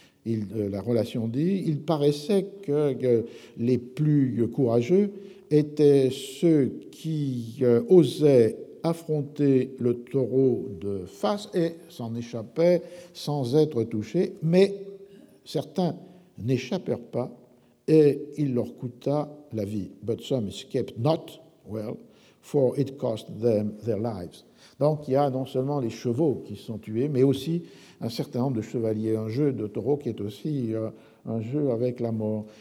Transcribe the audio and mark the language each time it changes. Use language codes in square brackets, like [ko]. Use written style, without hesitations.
[fr] La relation dit, il paraissait que les plus courageux étaient ceux qui osaient affronter le taureau de face et s'en échappaient sans être touchés, mais certains n'échappèrent pas et il leur coûta la vie. [en] But some escaped not well, for it cost them their lives. [fr] Donc il y a non seulement les chevaux qui sont tués, mais aussi un certain nombre de chevaliers, un jeu de taureau qui est aussi un jeu avec la mort.